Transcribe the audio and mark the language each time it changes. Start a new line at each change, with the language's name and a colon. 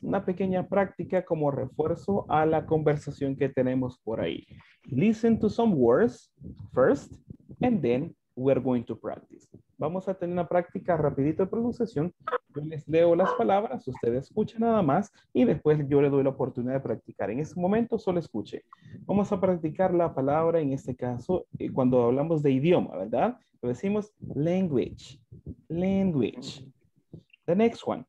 Spanish: Una pequeña práctica como refuerzo a la conversación que tenemos por ahí.
English: Listen to some words first and then we're going to practice.
Spanish: Vamos a tener una práctica rapidito de pronunciación. Yo les leo las palabras, ustedes escuchan nada más y después yo le doy la oportunidad de practicar. En ese momento solo escuche. Vamos a practicar la palabra en este caso cuando hablamos de idioma, ¿verdad? Lo decimos
English: language. The next one.